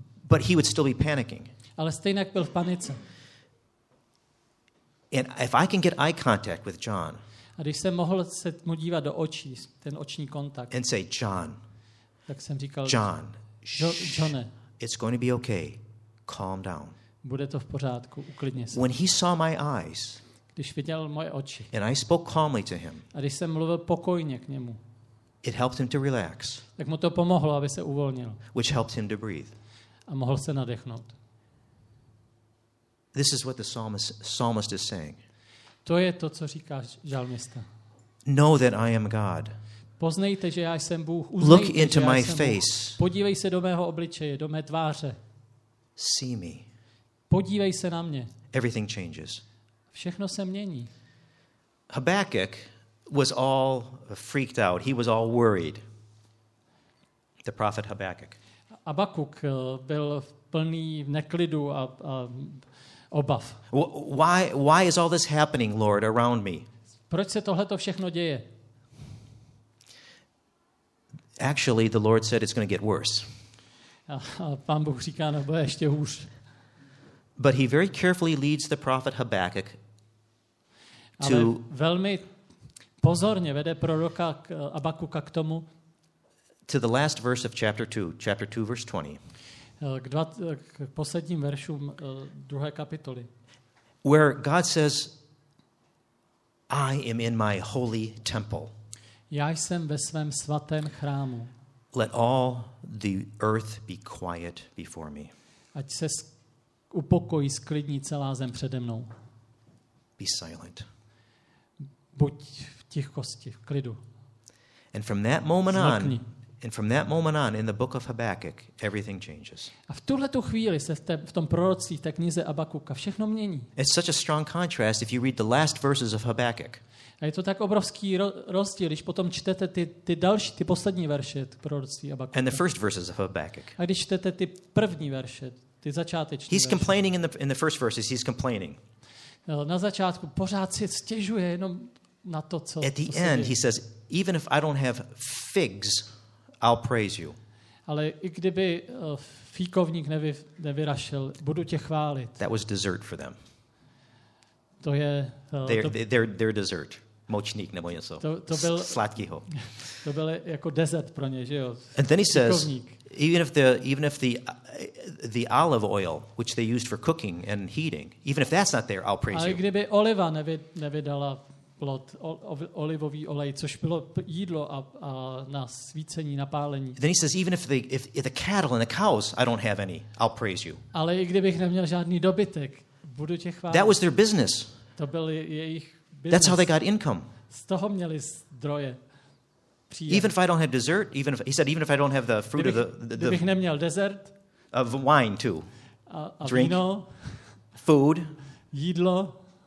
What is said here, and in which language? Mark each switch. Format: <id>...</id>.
<en>But he would still be panicking.</en> <cs>Ale stejně byl v panice.</cs> <en>And if I can get eye contact with John,</en> <cs>a když jsem mohl se mu dívat do očí, ten oční kontakt.</cs> <en>And say, John.</en> <cs>Tak jsem říkal,</cs> <en>John.</en> <cs>Johne.</cs> <en>It's going to be okay. Calm down.</en> <cs>Bude to v pořádku, uklidně se.</cs> <en>When he saw my eyes.</en> <cs>Když viděl moje oči.</cs> <en>And I spoke calmly to him.</en> <cs>A když jsem mluvil pokojně k němu.</cs> <en>It helped him to relax.</en> <cs>Tak mu to pomohlo, aby se uvolnil.</cs> <en>Which helped him to breathe.</en> <cs>A mohl se nadechnout.</cs> <en>This is what the psalmist is saying.</en> <cs>To je to, co říká žalmista.</cs> <en>Know that I am God.</en> <cs>Poznejte, že já jsem Bůh.</cs> <en>Look into my face.</en> <cs>Podívej se do mého obličeje, do mé tváře.</cs> <en>See me.</en> <cs>Podívej se na mě.</cs> <en>Everything changes.</en> <cs>Všechno se mění.</cs> <en>Habakkuk was all freaked out. He was all worried. The prophet Habakkuk.</en> <cs>Habakkuk byl plný neklidu a obav.</cs> <en>Why is all this happening, Lord, around me?</en> <cs>Proč se tohle to všechno děje?</cs> <en>Actually, the Lord said it's going to get worse.</en> <cs>A pán Bůh říká, no bude ještě hůř.</cs> <en>But he very carefully leads the prophet Habakkuk to</en> <cs>velmi pozorně vede proroka Habakkuka k tomu</cs> <en>to the last verse of chapter 2 verse 20.</en> <cs>K posledním veršům druhé kapitoly.</cs> <en>Where God says, I am in my holy temple.</en> <cs>Já jsem ve svém svatém chrámu.</cs> <en>Let all the earth be quiet before me.</en> <cs>Ať se upokojí, sklidní celá zem přede mnou.</cs> <en>Be silent.</en> <cs>Buď v tichosti, v klidu.</cs> <en>And from that moment on, and from that moment on in the book of Habakkuk everything changes.</en> <cs>A v tuhle tu chvíli se v tom proroctví, v té knize Habakkuka, všechno mění.</cs> <en>It's such a strong contrast if you read the last verses of Habakkuk.</en> <cs>A je to tak obrovský rozdíl, když potom čtete ty poslední verše proroctví Habakkuka.</cs> <en>And the first verses of Habakkuk.</en> <cs>A když čtete ty první verše, ty začáteční.</cs> <en>He's complaining in the first verses, he's complaining.</en> <cs>Na začátku pořád si stěžuje jenom na to, co.</cs> <en>At the end he says, even if I don't have figs, I'll praise you.</en> <cs>Ale i kdyby fíkovník nevyrašel, budu tě chválit.</cs> <en>That was dessert for them.</en> <cs>To je</cs> <en>their dessert.</en> <cs>Močník nebo něco. To byl sladkýho. To byl jako dezert pro ně, že jo.</cs> <en>And then he says, even if the olive oil which they used for cooking and heating, even if that's not there, I'll praise you.</en> <cs>Ale kdyby oliva nevydala plot olivový olej, což bylo jídlo a na svícení, na pálení.</cs> <en>Then he says, even if the cattle and the cows, I don't have any, I'll praise you.</en> <cs>Ale i kdybych neměl žádný dobytek, budu tě chválit.</cs> <en>That was their business.</en> <cs>To byl jejich business.</cs> <en>That's how they got income.</en> <cs>Z toho měli zdroje.</cs> <en>Even if I don't have dessert, even if I don't have the fruit</en> <cs>kdybych,</cs> <en>of the</en> <cs>kdybych neměl desert,</cs> <en>of wine too.</en> <cs>A drink, víno,</cs> <en>food,</en> <cs>jídlo,</cs>